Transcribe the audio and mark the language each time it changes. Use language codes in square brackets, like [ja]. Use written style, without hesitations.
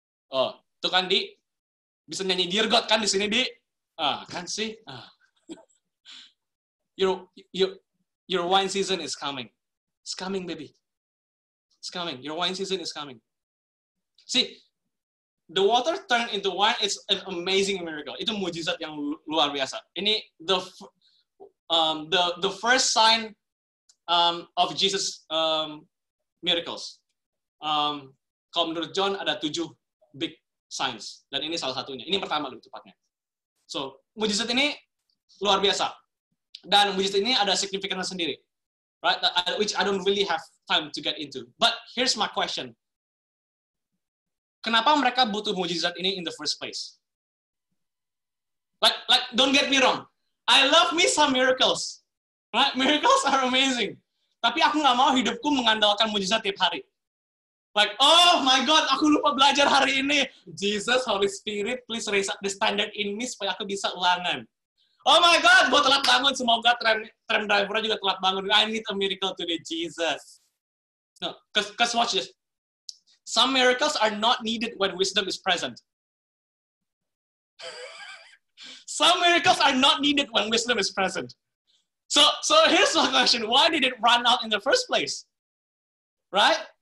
[id] Oh, itu kan Di. Bisa nyanyi Dear God kan di sini, Di. Ah, kan sih. Ah. [en] Your wine season is coming. It's coming, baby. It's coming. Your wine season is coming. See, the water turned into wine is an amazing miracle. [id] Itu mujizat yang luar biasa. Ini [en] the first sign of Jesus miracles. [id] Kalau menurut John ada 7 big signs dan ini salah satunya. Ini pertama lebih tepatnya. So, mujizat ini luar biasa. Dan mujizat ini ada signifikansi sendiri. [en] Right, which I don't really have time to get into. But here's my question. [id] Kenapa mereka butuh mujizat ini [en] in the first place? Like, don't get me wrong. I love me some miracles. Right? Miracles are amazing. [id] Tapi aku gak mau hidupku mengandalkan mujizat tiap hari. [en] Like, oh my God, [id] aku lupa belajar hari ini. [en] Jesus, Holy Spirit, please raise up the standard in me [id] supaya aku bisa ulangan. [en] Oh my God, [id] gue telat bangun. Semoga tram drivernya juga telat bangun. [en] I need a miracle today, Jesus. No, because watch this. Some miracles are not needed when wisdom is present. Some miracles are not needed when wisdom is present. So here's my question. Why did it run out in the first place? Right?